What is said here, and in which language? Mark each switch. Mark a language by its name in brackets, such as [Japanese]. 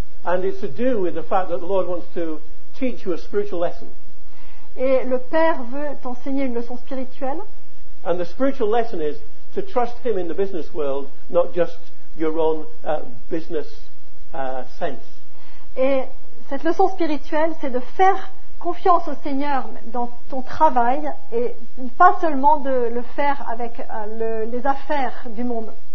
[English] And it's to do with the fact that the Lord wants to teach you a spiritual lesson. [French] Et le Père veut t'enseigner une leçon spirituelle. [English] And the spiritual lesson is to trust him in the business world, not just your own business sense. [French] Et cette leçon spirituelle, c'est de faire confiance au Seigneur dans ton travail et pas seulement de le faire avec les affaires du monde.